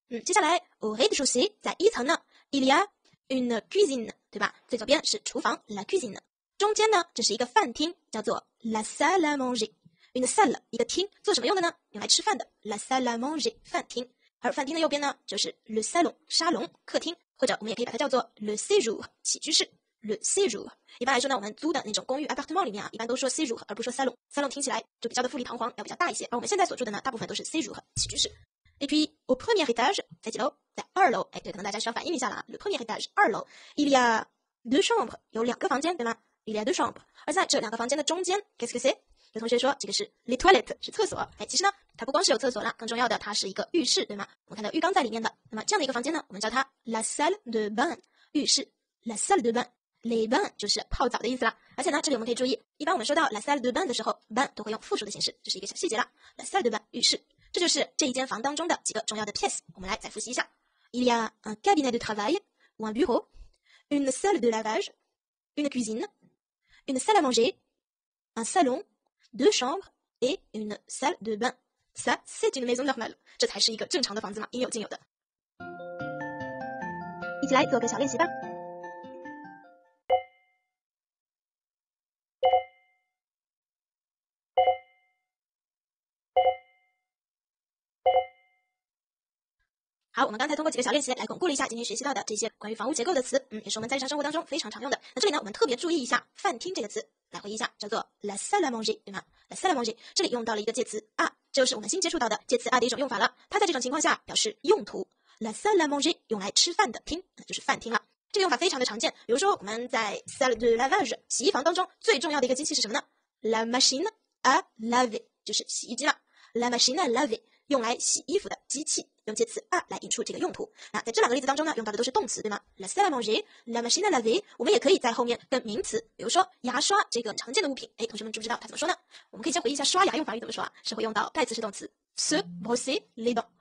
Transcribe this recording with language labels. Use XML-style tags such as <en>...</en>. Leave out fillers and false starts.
<zh>接下来 au rez-de-chaussée 在一层呢 il y a une cuisine 对吧，最左边是厨房 la cuisine， 中间呢这是一个饭厅叫做 la salle à manger， une salle 一个厅，做什么用的呢，用来吃饭的 la salle à manger 饭厅，而饭厅的右边呢就是 le salon 沙龙客厅，或者我们也可以把它叫做 le séjour 起居室 le séjour， 一般来说呢我们租的那种公寓 appartement 里面啊一般都说 séjour 而不说 salon， salon 听起来就比较的富丽堂皇，要比较大一些，而我们现在所住的呢大部分都是 séjour 起居室。</zh> <fr>Et puis, au premier étage, 在几楼？</fr> <zh>在二楼。哎，对，可能大家需要反应一下了。</zh> <fr>Le premier étage, 二楼。 Il y a deux chambres, 有两个房间，对吗？Il y a deux chambres.</fr> <zh>而在这两个房间的中间 ， qu'est-ce que c'est？有同学说这个是 les toilettes， 是厕所。哎，其实呢，它不光是有厕所了，更重要的它是一个浴室，对吗？我们看到浴缸在里面的。那么这样的一个房间呢，我们叫它 la salle de bain， 浴室。 La salle de bain， les bains 就是泡澡的意思了。而且呢，这里我们可以注意，一般我们说到 la salle de bain 的时候 ，bain 都会用复数的形式，这是一个小细节了。La salle de bain， 浴室。这就是这一间房当中的几个重要的 pièce， 我们来再复习一下。</zh> <fr>Il y a un cabinet de travail ou un bureau, une salle de lavage, une cuisine, une salle à manger, un salon, deux chambres et une salle de bain. Ça, c'est une maison normale.</fr> <zh>这才是一个正常的房子嘛，应有尽有的。一起来做个小练习吧。好，我们刚才通过几个小练习来巩固了一下今天学习到的这些关于房屋结构的词，也是我们在日常生活当中非常常用的。那这里呢，我们特别注意一下饭厅这个词，来回忆一下，叫做 la salle à manger， 对吗？ la salle à manger， 这里用到了一个介词 à， 就是我们新接触到的介词 à 的一种用法了。它在这种情况下表示用途， la salle à manger 用来吃饭的厅，就是饭厅了。这个用法非常的常见，比如说我们在 salle de lavage 洗衣房当中最重要的一个机器是什么呢？ la machine à laver， 就是洗衣机了。 la machine à laver 用来洗衣服的机器。用介词 à 来引出这个用途。那在这两个例子当中呢，用到的都是动词，对吗 ？ La salle à manger, la machine à laver。我们也可以在后面跟名词，比如说牙刷这个常见的物品。哎，同学们知不知道它怎么说呢？我们可以先回忆一下刷牙用法语怎么说啊？是会用到代词是动词 se brosser les dents。</zh>